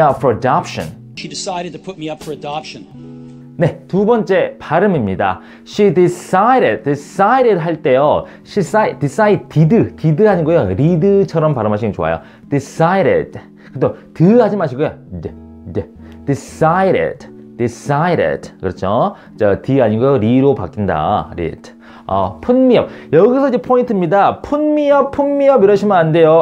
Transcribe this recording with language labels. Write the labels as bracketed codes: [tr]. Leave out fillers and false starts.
[en] She decided to put me up for adoption. [ko] 네, 두 번째 발음입니다. [en] She decided [ko] 할 때요. [en] She decided [ko] 아니고요. read처럼 발음하시면 좋아요. decided. 또 드 하지 마시고요. decided. 그렇죠? 자, d 아니고요. [en] re로 [ko] 바뀐다. [en] read. put me up. [ko] 여기서 이제 포인트입니다. [en] put me up [ko] 이러시면 안 돼요.